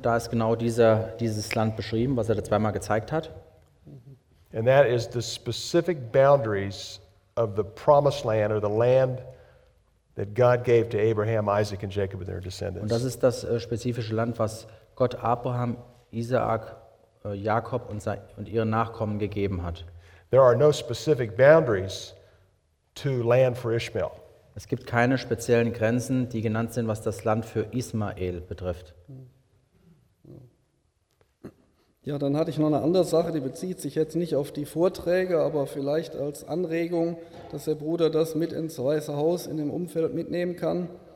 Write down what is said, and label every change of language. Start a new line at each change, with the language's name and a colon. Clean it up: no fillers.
German: Da ist genau dieses Land beschrieben, was er da zweimal gezeigt hat.
English: And that is the specific boundaries of the promised land, or the land that God gave to Abraham, Isaac, and Jacob and their descendants.
German: Und das ist das spezifische Land, was Gott Abraham, Isaak, Jakob und ihren Nachkommen gegeben hat.
English: There are no specific boundaries to land for Ishmael.
German: Es gibt keine speziellen Grenzen, die genannt sind, was das Land für Ismael betrifft. Ja, dann hatte ich noch eine andere Sache, die bezieht sich jetzt nicht auf die Vorträge, aber vielleicht als Anregung, dass der Bruder das mit ins Weiße Haus in dem Umfeld mitnehmen kann.